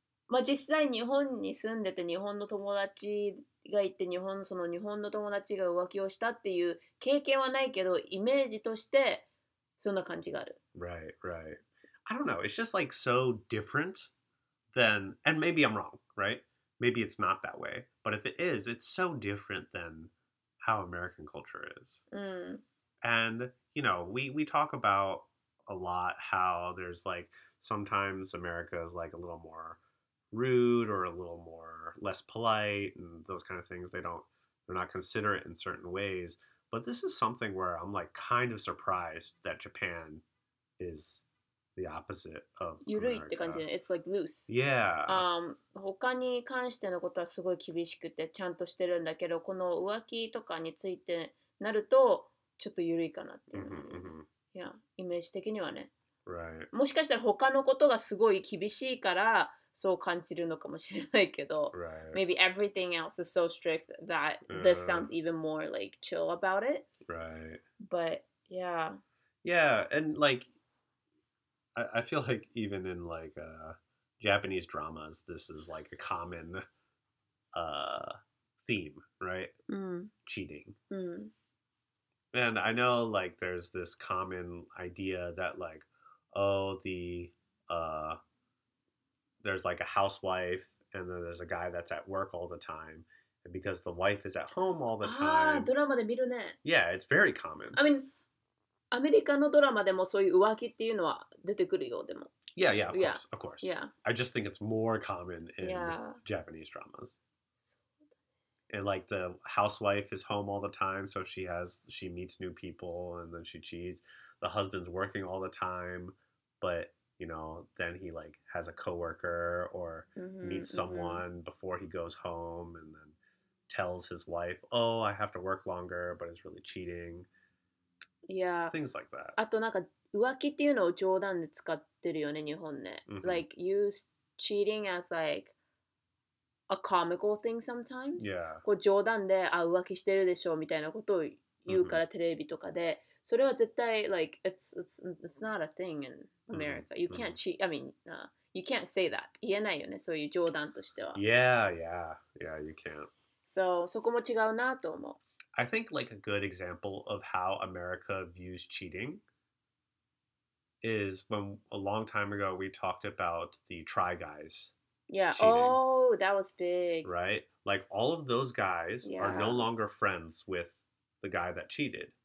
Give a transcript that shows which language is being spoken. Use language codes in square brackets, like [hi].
[ja] まあ実際日本に住んでて日本の友達がいて、日本の友達が浮気をしたっていう経験はないけど、イメージとしてそんな感じがある。 [en] Right, right. I don't know. It's just like so different than, and maybe I'm wrong, right? Maybe it's not that way. But if it is, it's so different than how American culture is. Mm. And, you know, we talk about a lot how there's like, sometimes America is like a little more rude or a little more less polite and those kind of things. They're not considerate in certain ways. But this is something where I'm like kind of surprised that Japan is the opposite of America. [ja] Yurui って感じで、 [en] it's like loose. Yeah. [ja] 他に関してのことはすごい厳しくてちゃんとしてるんだけど、この浮気とかについてなるとちょっとゆるいかなっていう。いや、イメージ的にはね。 [en] Right. [ja] もしかしたら他のことがすごい厳しいからそう感じるのかもしれないけど、 [en] right. Maybe everything else is so strict that this sounds even more like chill about it. Right. But yeah. Yeah, and like I feel like even in like Japanese dramas, this is like a common theme, right? Mm. Cheating. Mm. And I know like there's this common idea that like, oh, the there's like a housewife and then there's a guy that's at work all the time. And because the wife is at home all the time. [ja] Ah, drama で見るね。 [en] Yeah, it's very common. I mean, [ja] アメリカのドラマでもそういう浮気っていうのは出てくるよ、でも。 [en] Yeah, yeah, of course, of course. Yeah. I just think it's more common in Japanese dramas. And like the housewife is home all the time, so she meets new people and then she cheats. The husband's working all the time, but you know, then he like has a coworker or meets someone before he goes home and then tells his wife, oh, I have to work longer, but it's really cheating. Yeah. Things like that. [ja] あとなんか浮気っていうのを冗談で使ってるよね、日本ね。 [en] Like use cheating as like a comical thing sometimes. Yeah. [ja] こう冗談で、あ、浮気してるでしょみたいなことを言うから、テレビとかで。それは絶対、 [en] like, it's not a thing in America. You can't cheat, I mean, you can't say that. [ja] 言えないよね、そういう冗談としては。 [en] Yeah, yeah, yeah, you can't. [ja] So, そこも違うなと思う。 [en] I think like a good example of how America views cheating is when a long time ago we talked about the Try Guys. Yeah. Cheating. Oh, that was big. Right? Like all of those guys are no longer friends with the guy that cheated.